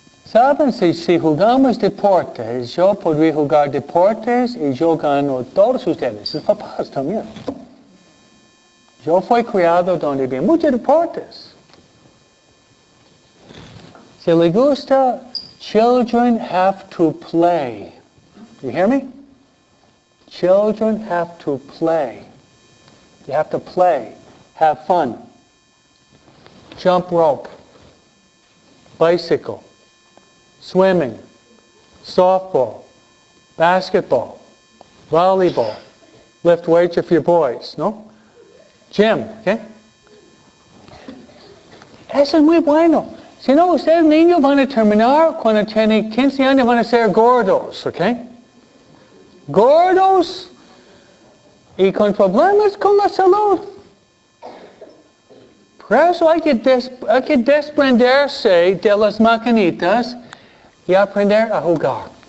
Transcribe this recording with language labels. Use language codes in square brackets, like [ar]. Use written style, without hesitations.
[es] ¿Saben? Si jugamos deportes, yo podría jugar deportes y yo gano todos ustedes, sus papás también. Yo fui criado donde había muchos deportes. Si le gusta, [en] children have to play. You hear me? Children have to play. You have to play. Have fun. Jump rope. Bicycle. Swimming, softball, basketball, volleyball, lift weights if you're boys, no? Gym, okay? [es] Eso es muy bueno. Si no, ustedes niños van a terminar cuando tienen 15 años, van a ser gordos, okay? Gordos y con problemas con la salud. Por eso hay que desprenderse de las maquinitas y aprender a jugar.